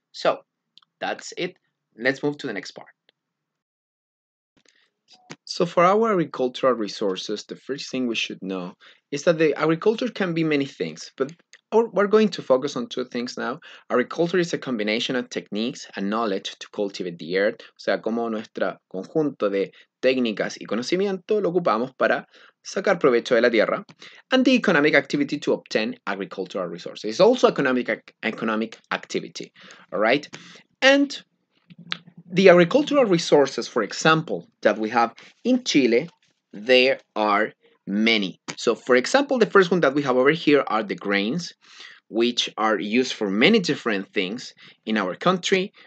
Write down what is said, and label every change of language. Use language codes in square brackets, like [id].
[en] So, that's it. Let's move to the next part. So for our agricultural resources, the first thing we should know is that the agriculture can be many things, but we're going to focus on two things now. Agriculture is a combination of techniques and knowledge to cultivate the earth. [es] O sea, como nuestro conjunto de técnicas y conocimiento lo ocupamos para sacar provecho de la tierra. [en] And the economic activity to obtain agricultural resources. It's also economic activity, all right? And the agricultural resources, for example, that we have in Chile, there are many. So, for example, the first one that we have over here are the grains, which are used for many different things in our country.